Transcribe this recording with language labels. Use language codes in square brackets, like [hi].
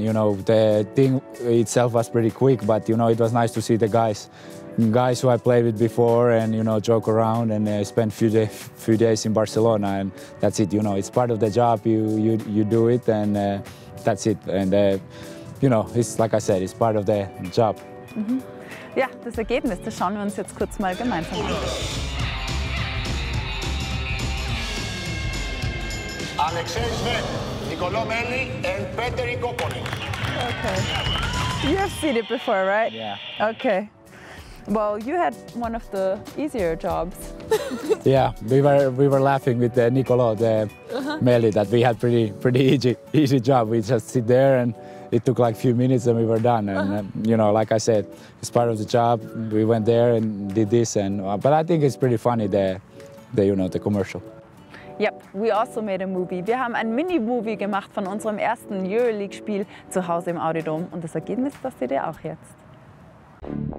[en] You know, the thing itself was pretty quick, but you know, it was nice to see the guys who I played with before, and you know, joke around and spend few days in Barcelona, and that's it. You know, it's part of the job. You do it, and that's it. And you know, it's like I said, it's part of the job. Mm-hmm. [de] Yeah, das Ergebnis, das schauen wir uns jetzt kurz mal gemeinsam an. [en] Alexei Zverev, Nicolò Melli, and Petteri Koponen. Okay, you have seen it before, right? Yeah. Okay. Well, you had one of the easier jobs. Yeah, we were laughing with Nicolò, Melli, that we had pretty easy job. We just sit there and it took like a few minutes and we were done. And you know, like I said, it's part of the job. We went there and did this. And but I think it's pretty funny the you know, the commercial. Yep, we also made a movie. [de] Wir haben ein Mini-Movie gemacht von unserem ersten EuroLeague-Spiel zu Hause im Audidom. Und das Ergebnis, das seht ihr auch jetzt.